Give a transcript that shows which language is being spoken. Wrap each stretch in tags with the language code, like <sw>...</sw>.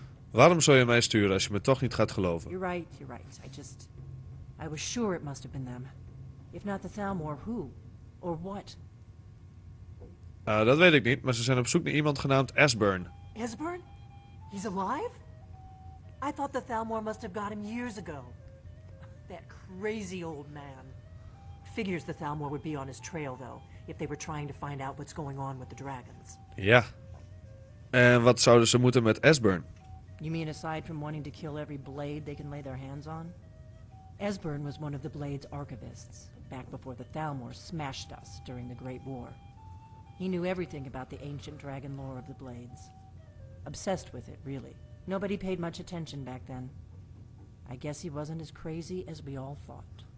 <nl>Waarom zou je mij sturen als je me toch niet gaat geloven?</nl> <en>You're right, you're right. I was sure it must have been them. If not the Thalmor, who? Or what?</en> <nl>Dat weet ik niet, maar ze zijn op zoek naar iemand genaamd Esbern.</nl> <en>Esbern? He's alive? I thought the Thalmor must have got him years ago. That crazy old man. Figures the Thalmor would be on his trail, though, if they were trying to find out what's going on with the dragons. Yeah.</en> <nl>En wat zouden ze moeten met Esbern?</nl> <en>You mean aside from wanting to kill every blade they can lay their hands on? Esbern was one of the Blade's archivists, back before the Thalmor smashed us during the Great War. He knew everything about the ancient dragon lore of the Blades. Obsessed with it, really. Nobody paid much attention back then. I guess he wasn't as crazy as we all thought.</en>